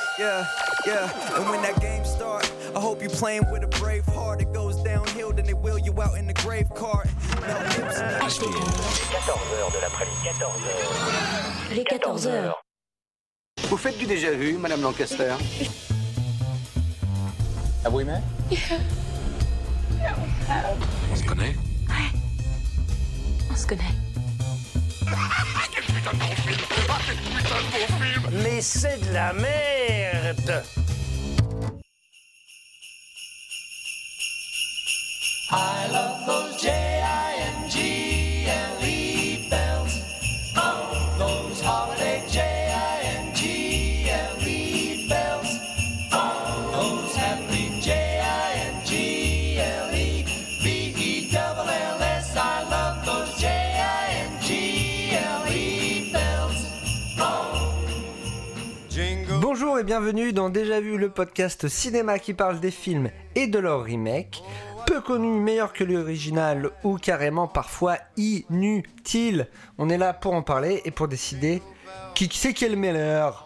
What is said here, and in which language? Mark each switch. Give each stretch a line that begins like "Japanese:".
English: And when that game start, I hope you playing with a brave heart. It goes downhill, then they wheel you out in the grave cart. No,
French: les 14 heures de l'après-midi. 14 heures. Vous faites du déjà vu, Madame Lancaster?
English: Have we met?
French: On se connaît? Ouais. On se connaît. Mais c'est de la merde!
English: I love those J-I-N-G-L-E bells. Oh, those holiday J-I-N-G-L-E bells. Oh, those happy J-I-N-G-L-E B-E-L-L-S. I love those J-I-N-G-L-E bells. Oh. Jingle.
French: Bonjour et bienvenue dans Déjà Vu, le podcast cinéma qui parle des films et de leurs remakes. peu connu, meilleur que l'original ou carrément parfois inutile. On est là pour en parler et pour décider qui c'est qui est le meilleur.